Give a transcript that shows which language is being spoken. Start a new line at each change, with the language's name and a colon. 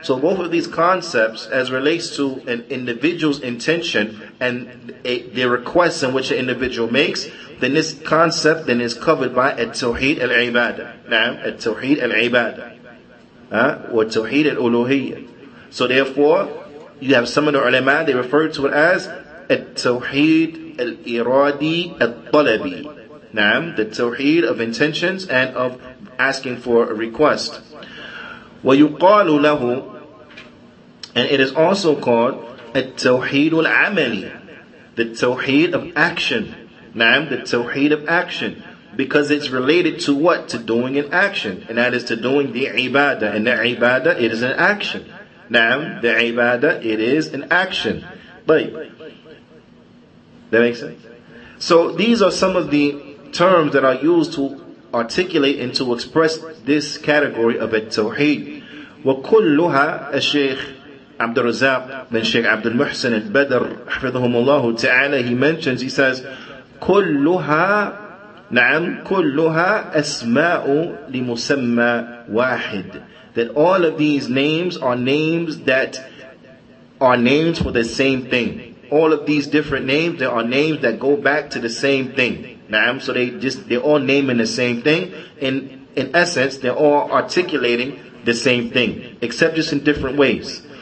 English: So both of these concepts as relates to an individual's intention and the request in which an individual makes, then this concept then is covered by at-tawheed al-ibadah. Naam, at-tawheed al-ibadah. Wa at-tawheed al-uluhiyyah. So therefore, you have some of the ulama, they refer to it as
Arabic: التوحيد الإرادي الطلبي.
English: نعم, the توحيد of intentions and of asking for a request.
Arabic: ويقال له,
English: and it is also called التوحيد العملي, the توحيد of action. نعم, the توحيد of action. Because it's related to what? To doing an action. And that is to doing the ibadah. And the ibadah, it is an action. Naam, the ibadah, it is an action. طيب. That makes sense? So these are some of the terms that are used to articulate and to express this category of التوحيد.
Arabic: وكلها الشيخ عبد الرزاق من شيخ عبد المحسن البدر حفظهم الله تعالى,
English: he mentions, he says,
Arabic: كلها نعم كلها أسماء لمسمى واحد.
English: That all of these names are names that are names for the same thing. All of these different names, they are names that go back to the same thing. نعم, so they're all naming the same thing. In essence, they're all articulating the same thing, except just in different ways.